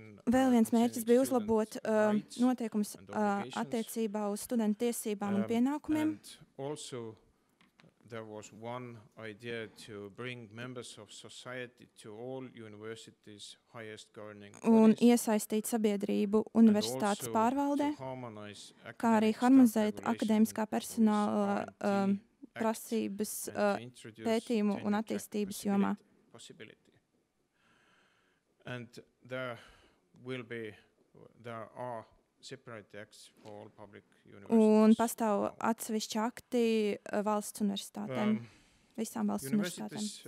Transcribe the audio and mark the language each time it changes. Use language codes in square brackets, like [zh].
[lv] Vēl viens mērķis bija uzlabot noteikumus attiecībā uz studentu tiesībām un pienākumiem. [en] There was one idea to bring members of society to all universities highest governing bodies. [lv] Un iesaistīt sabiedrību universitātes pārvaldē, kā arī harmonizēt akadēmiskā personāla prasības pētījumu un attīstības jomā. [en] And there will be there are separate acts for all public universities. [lv] Un pastāv atsevišķi akti valsts universitātēm, visām valsts universitātēm.